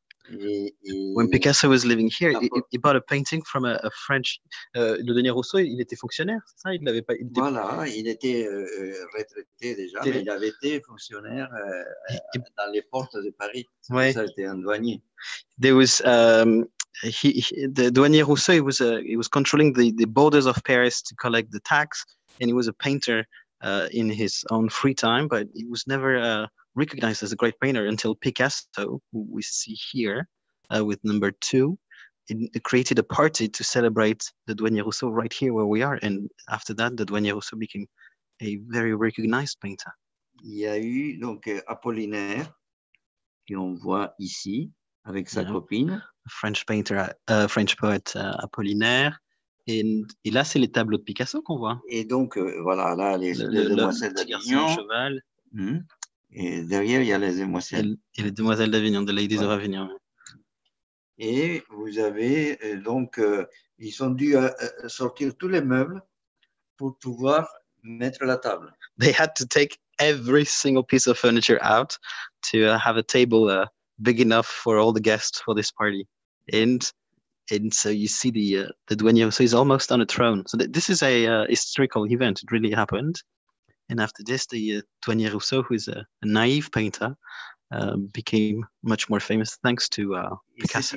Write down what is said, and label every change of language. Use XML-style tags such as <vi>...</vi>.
<en>When Picasso was living here, he bought a painting from a French,</en> <fr>Le Denis Rousseau, il était fonctionnaire, c'est ça? Il était retraité déjà, mais il avait été fonctionnaire dans les portes de Paris. Ouais. Ça, c'était un douanier.</fr> <en>There was, the douanier Rousseau, he was controlling the borders of Paris to collect the tax, and he was a painter in his own free time, but he was never recognized as a great painter until Picasso, who we see here with number two, created a party to celebrate the Douanier Rousseau right here where we are. And after that, the Douanier Rousseau became a very recognized painter.</en> <fr>Il y a eu donc Apollinaire, qui on voit ici, avec sa copine.</fr> <en>French painter, French poet Apollinaire.</en> <fr>Et là, c'est les tableaux de Picasso qu'on voit. Et donc, voilà, là, les demoiselles d'Avignon. Et derrière, il y a les demoiselles. Et les demoiselles d'Avignon,</fr> <en>the ladies of Avignon.</en> <fr>Et vous avez, donc, ils ont dû sortir tous les meubles pour pouvoir mettre la table.</fr> <en>They had to take every single piece of furniture out to have a table big enough for all the guests for this party. And so you see the Douanier, so he's almost on a throne. So this is a historical event. It really happened. And after this, the Douanier Rousseau, who is a naive painter, became much more famous thanks to Picasso.</en>